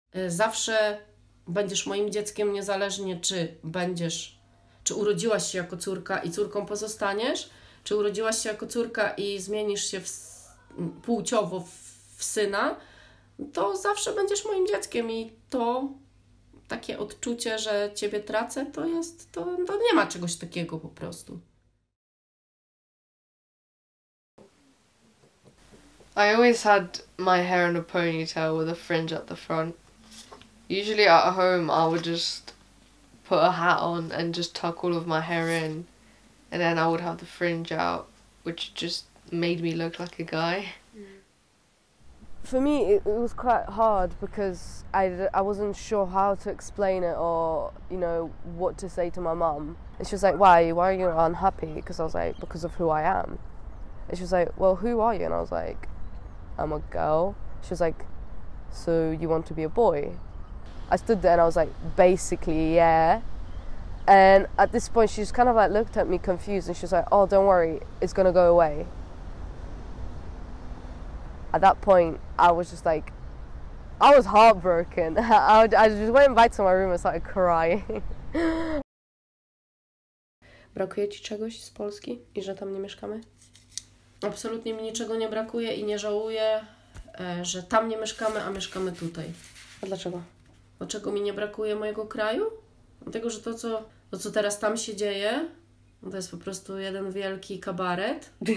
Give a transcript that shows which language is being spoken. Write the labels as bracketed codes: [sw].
[pl] Zawsze będziesz moim dzieckiem, niezależnie czy będziesz, czy urodziłaś się jako córka i córką pozostaniesz, czy urodziłaś się jako córka i zmienisz się płciowo w syna, to zawsze będziesz moim dzieckiem i to... Takie odczucie, że ciebie tracę, to jest, to nie ma czegoś takiego po prostu. [en] I always had my hair in a ponytail with a fringe at the front. Usually at home I would just put a hat on and just tuck all of my hair in. And then I would have the fringe out, which just made me look like a guy. For me, it was quite hard because I wasn't sure how to explain it or, you know, what to say to my mum. And she was like, why are you unhappy? Because I was like, because of who I am. And she was like, well, who are you? And I was like, I'm a girl. She was like, so you want to be a boy? I stood there and I was like, basically, yeah. And at this point, she just kind of like looked at me confused and she was like, oh, don't worry, it's gonna go away. At that point, I was just like, I was heartbroken. I just went back to my room and started crying. [pl] Brakuje ci czegoś z Polski i że tam nie mieszkamy? Absolutnie mi niczego nie brakuje i nie żałuję, że tam nie mieszkamy, a mieszkamy tutaj. A dlaczego? o czego mi nie brakuje mojego kraju. Dlatego, że to, co teraz tam się dzieje, to jest po prostu jeden wielki kabaret.